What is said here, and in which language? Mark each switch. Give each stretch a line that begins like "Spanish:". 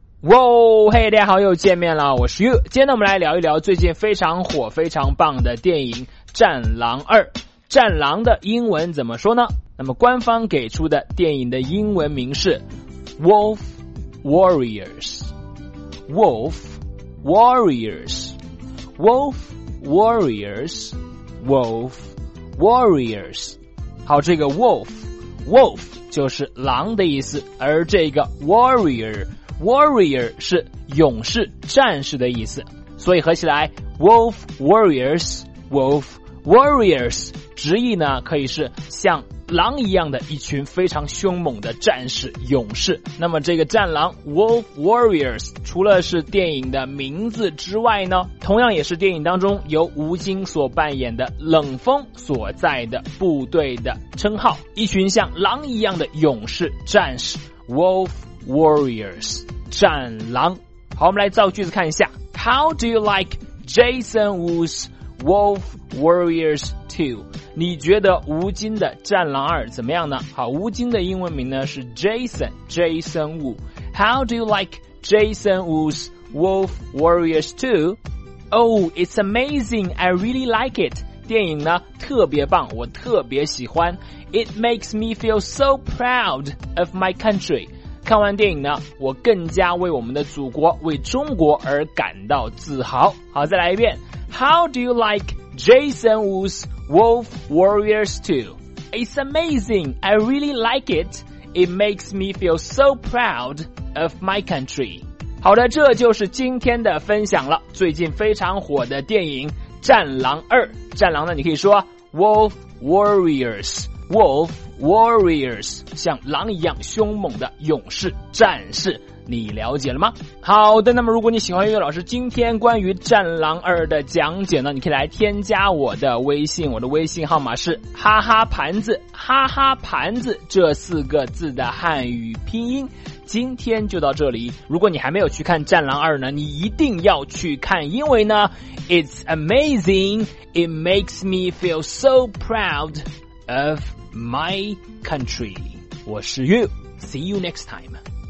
Chinese: 哇嘿，大家好，又见面了，我是 You。今天呢，我们来聊一聊最近非常火非常棒的电影《战狼2》。战狼的英文怎么说呢？那么官方给出的电影的英文名是 Wolf Warriors， Wolf Warriors， Wolf Warriors， Wolf Warriors。好，这个 Wolf， Wolf 就是狼的意思，而这个 WarriorWarrior 是勇士、战士的意思，所以合起来 Wolf Warriors， Wolf Warriors 直译呢可以是像狼一样的一群非常凶猛的战士、勇士。那么这个战狼 Wolf Warriors 除了是电影的名字之外呢，同样也是电影当中由吴京所扮演的冷锋所在的部队的称号，一群像狼一样的勇士、战士 WolfWarriors， 战狼。好，我们来造句子看一下。
English: How do you like Jason Wu's Wolf Warriors 2?
Chinese: 你觉得吴京的战狼2怎么样呢？好，吴京的英文名呢是 Jason Wu。
English: How do you like Jason Wu's Wolf Warriors 2? Oh, it's amazing, I really like it.
Chinese: 电影呢特别棒，我特别喜欢。
English: It makes me feel so proud of my country.
Chinese: 看完电影呢，我更加为我们的祖国、为中国而感到自豪。好，再来一遍。
English: How do you like Jason Wu's Wolf Warriors 2? It's amazing. I really like it. It makes me feel so proud of my country.
Chinese: 好的，这就是今天的分享了。最近非常火的电影《战狼2》。战狼呢，你可以说 Wolf Warriors。Wolf Warriors， 像狼一样凶猛的勇士、战士，你了解了吗？好的，那么如果你喜欢岳老师今天关于《战狼2》的讲解呢，你可以来添加我的微信，我的微信号码是哈哈盘子，哈哈盘子这四个字的汉语拼音。今天就到这里，如果你还没有去看《战狼2》呢，你一定要去看，因为呢
English: It's amazing, it makes me feel so proudof my country.
Chinese: 我是 You.
English: See you next time.